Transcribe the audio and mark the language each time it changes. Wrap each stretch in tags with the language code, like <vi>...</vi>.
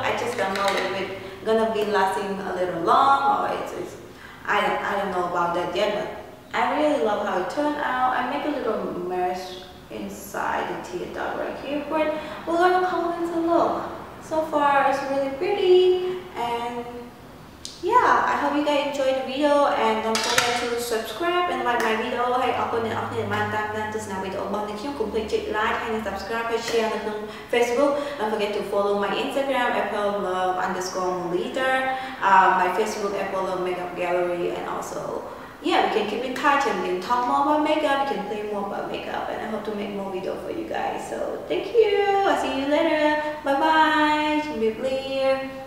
<en>I just don't know if it's gonna be lasting a little long or I don't know about that yet, but I really love how it turned out. I make a little mess inside the tear duct right here, but we're gonna come with a look. So far, it's really pretty, and yeah, I hope you guys enjoyed the video, and don't forget to subscribe and like my video.</en> <vi>Hãy ấn vào nút đăng ký để không bỏ lỡ những video hấp dẫn. Cùng click chữ like hay subscribe hay share lên trên Facebook.</vi> <en>Don't forget to follow my Instagram @applelove_leader, my Facebook @applelove makeup gallery, and also yeah, we can keep in touch and we can talk more about makeup. We can play more about makeup, and I hope to make more video for you guys. So thank you. I'll see you later. Bye bye.</en> <vi>Chuẩn bị clear.</vi>